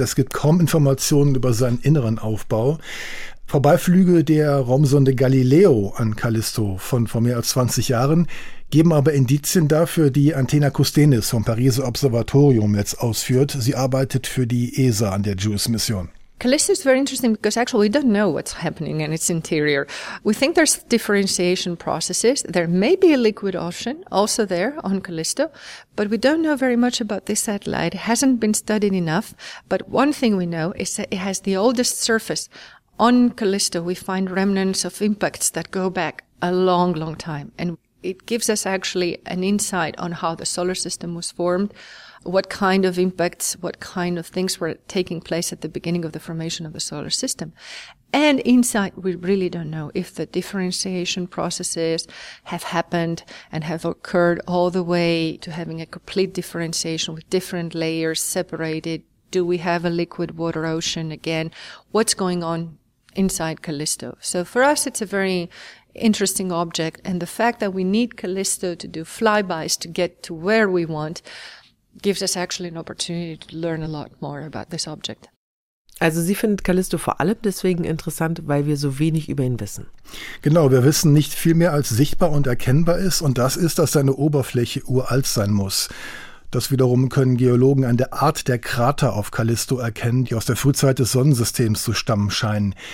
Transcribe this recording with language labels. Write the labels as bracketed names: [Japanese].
[German] Es gibt kaum Informationen über seinen inneren Aufbau. Vorbeiflüge der Raumsonde Galileo an Callisto von vor mehr als 20 Jahren geben aber Indizien dafür, die Antena Kustenis vom Pariser Observatorium jetzt ausführt. Sie arbeitet für die ESA an der JUICE-Mission. [English] Callisto is very interesting because actually we don't know what's happening in its interior. We think there's differentiation processes. There may be a liquid ocean also there on Callisto, but we don't know very much about this satellite. It hasn't been studied enough. But one thing we know is that it has the oldest surface. On Callisto, we find remnants of impacts that go back a long, long time. And it gives us actually an insight on how the solar system was formed, what kind of impacts, what kind of things were taking place at the beginning of the formation of the solar system. And inside, we really don't know if the differentiation processes have happened and have occurred all the way to having a complete differentiation with different layers separated. Do we have a liquid water ocean again? What's going on inside Callisto? So for us, it's a very interesting object. And the fact that we need Callisto to do flybys to get to where we want gives us actually an opportunity to learn a lot more about this object. [German] Also sie findet Callisto vor allem deswegen interessant, weil wir so wenig über ihn wissen. Genau, wir wissen nicht viel mehr als sichtbar und erkennbar ist, und das ist, dass seine Oberfläche uralt sein muss. Das wiederum können Geologen an der Art der Krater auf Callisto erkennen, die aus der Frühzeit des Sonnensystems zu stammen scheinen.